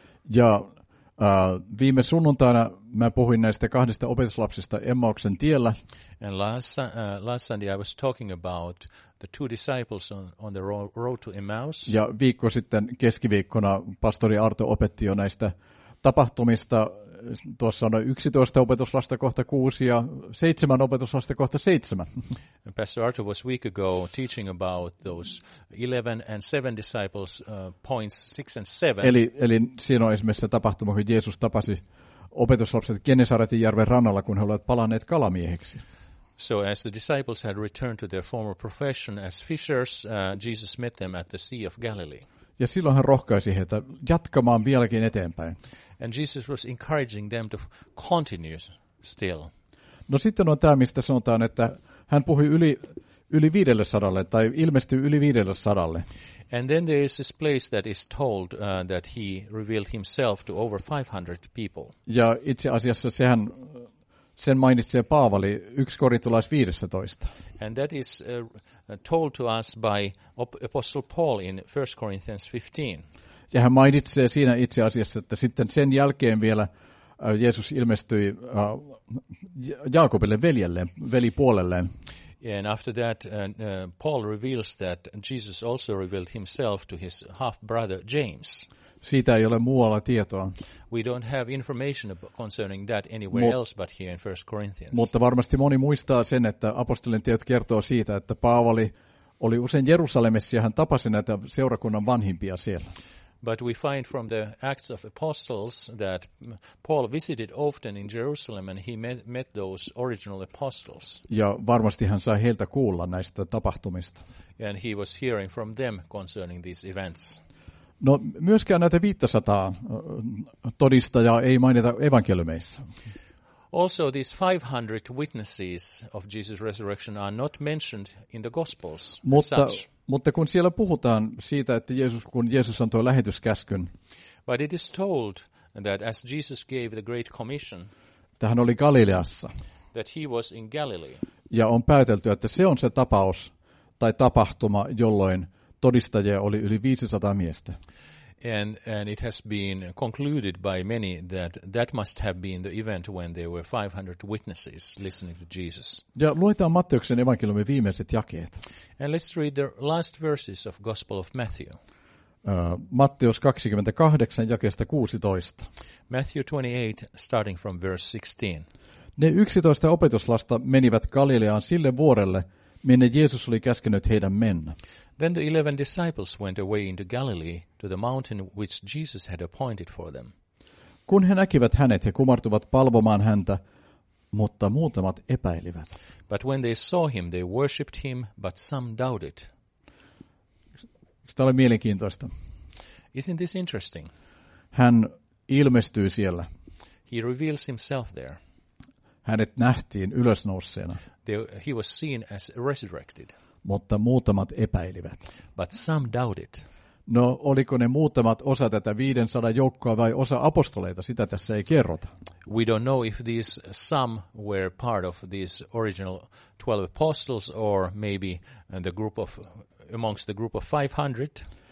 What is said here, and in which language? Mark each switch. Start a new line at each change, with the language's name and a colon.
Finnish: Ja viime sunnuntaina mä puhuin näistä 2 opetuslapsista Emmauksen tiellä.
English: And last Sunday I was talking about the 2 disciples on the road to Emmaus.
Finnish: Ja viikko sitten keskiviikkona pastori Arto opetti jo näistä tapahtumista tuossa on 11 opetuslasta kohta 6 ja 7 opetuslasta kohta 7.
English: And Pastor Arthur was a week ago teaching about those 11 and 7 disciples points 6 and 7.
Finnish: Eli siinä on esimerkiksi se tapahtuma, kun Jeesus tapasi opetuslapset Genesaretin järven rannalla, kun he olivat palanneet kalamiehiksi.
English: So as the disciples had returned to their former profession as fishers, Jesus met them at the Sea of Galilee.
Finnish: Ja silloin hän rohkaisi heitä jatkamaan vieläkin eteenpäin.
English: And Jesus was encouraging them to continue still.
Finnish: No sitten on tämä, mistä sanotaan, että hän puhui yli 500 tai ilmestyi yli 500.
English: And then there is this place that is told that he revealed himself to over 500 people.
Finnish: Ja itse asiassa sen mainitsee Paavali 1 Korintolais 15.
English: And that is told to us by Apostle Paul in 1 Corinthians 15.
Finnish: Ja hän mainitsee siinä itse asiassa, että sitten sen jälkeen vielä Jeesus ilmestyi Jaakobille velipuolelleen.
English: And after that Paul reveals that Jesus also revealed himself to his half brother James.
Finnish: Siitä ei ole muualla tietoa.
English: We don't have information concerning that anywhere else but here in 1 Corinthians.
Finnish: Mutta varmasti moni muistaa sen, että apostolien teot kertoo siitä, että Paavali oli usein Jerusalemissa ja hän tapasi näitä seurakunnan vanhimpia siellä.
English: But we find from the Acts of Apostles that Paul visited often in Jerusalem and he met those original apostles.
Finnish: Ja varmasti hän sai heiltä kuulla näistä tapahtumista.
English: And he was hearing from them concerning these events.
Finnish: No, myöskään näitä 500 todistajaa ei mainita evankeliumeissa.
English: Also these 500 witnesses of Jesus' resurrection are not mentioned in the gospels.
Finnish: Mutta kun siellä puhutaan siitä, että kun Jeesus antoi lähetyskäskyn.
English: But it is told that as Jesus gave the great commission.
Finnish: Että hän oli Galileassa.
English: That he was in Galilee.
Finnish: Ja on päätelty, että se on se tapaus tai tapahtuma, jolloin todistajia oli yli 500 miestä.
English: And it has been concluded by many that must have been the event when there were 500 witnesses listening to Jesus.
Finnish: Ja luetaan Matteuksen evankeliumin viimeiset jakeet.
English: And let's read the last verses of Gospel of Matthew.
Finnish: Matteus 28, jakeesta 16.
English: Matthew 28, starting from verse 16.
Finnish: Ne 11 opetuslasta menivät Galileaan sille vuorelle, minne Jeesus oli käskenyt heidän mennä.
English: Then the 11 disciples went away into Galilee to the mountain which Jesus had appointed for them.
Finnish: Kun he näkivät hänet, he kumartuvat palvomaan häntä, mutta muutamat epäilivät.
English: But when they saw him, they worshipped him, but some doubted.
Finnish: Tämä oli mielenkiintoista.
English: Isn't this interesting?
Finnish: Hän ilmestyy siellä.
English: He reveals himself there.
Finnish: Hänet nähtiin ylösnousseena.
English: He was seen as resurrected.
Finnish: Mutta muutamat epäilivät.
English: But some doubted.
Finnish: No, oliko ne muutamat osa tätä 500 joukkoa vai osa apostoleita? Sitä tässä ei kerrota.
English: We don't know if these some were part of these original 12 apostles or maybe the group of amongst the group of 500.